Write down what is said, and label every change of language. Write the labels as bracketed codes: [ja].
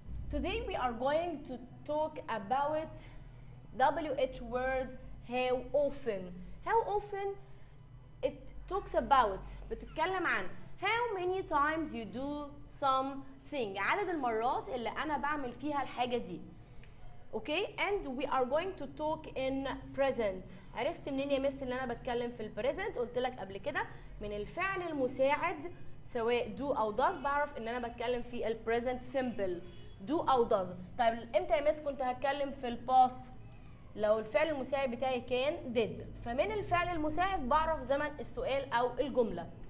[en] Today we are going to talk about WH word, how often. How often it talks about, [ar] بتتكلم عن [en] how many times you do something. [ar] عدد المرات اللي أنا بعمل فيها الحاجة دي. [en] Okay, and we are going to talk in present. [ar] عرفت منين يا مس اللي انا بتكلم في البريزنت؟ قلت لك قبل كده من الفعل المساعد سواء do او does بعرف ان انا بتكلم في البريزنت سيمبل do او does. طيب امتى يا مس كنت هتكلم في الباست؟ لو الفعل المساعد بتاعي كان did، فمن الفعل المساعد بعرف زمن السؤال او الجمله.